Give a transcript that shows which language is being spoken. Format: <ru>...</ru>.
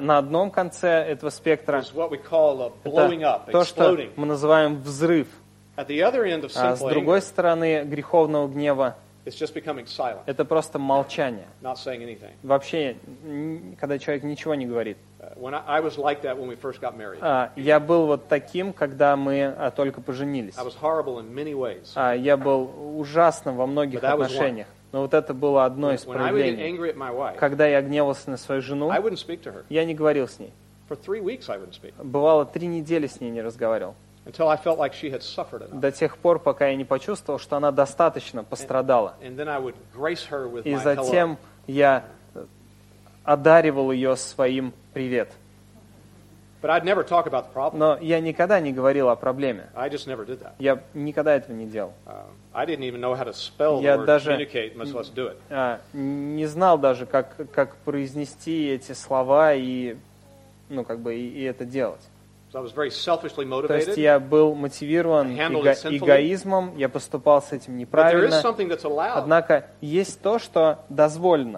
<ru>на одном конце этого спектра</ru> <en>is what we call a blowing up,</en> <ru>то, что мы называем взрыв.</ru> <en>At the other end of sinful anger,</en> <ru>с другой стороны греховного гнева,</ru> <en>it's just becoming silent.</en> <ru>Это просто молчание.</ru> <en>Not saying anything.</en> <ru>Вообще, когда человек ничего не говорит.</ru> <en>I was like that when we first got married.</en> <ru>Я был вот таким, когда мы только поженились.</ru> <en>I was horrible in many ways.</en> <ru>Я был ужасным во многих отношениях. Но вот это было одно из проявлений. Когда я гневался на свою жену,</ru> <en>I wouldn't speak to her.</en> <ru>Я не говорил с ней.</ru> <en>For 3 weeks I wouldn't speak.</en> <ru>Бывало, 3 недели с ней не разговаривал.</ru> <en>Until I felt like she had suffered enough.</en> <ru>До тех пор, пока я не почувствовал, что она достаточно пострадала.</ru> <en>And then I would grace her with</en> <ru>и затем</ru> <en>my</en> <ru>я одаривал ее своим привет.</ru> <en>But I'd never talk about the problem.</en> <ru>Но я никогда не говорил о проблеме.</ru> <en>I just never did that.</en> <ru>Я никогда этого не делал.</ru> <en>I didn't even know how to spell the word communicate, much less do it.</en> <ru>Я не знал даже, как произнести эти слова и, ну, как бы, и это делать.</ru> <en>So I was very selfishly motivated.</en> <ru>То есть я был мотивирован эгоизмом, я поступал с этим неправильно.</ru> <en>But there is something that's allowed.</en> <ru>Однако есть то, что дозволено.</ru>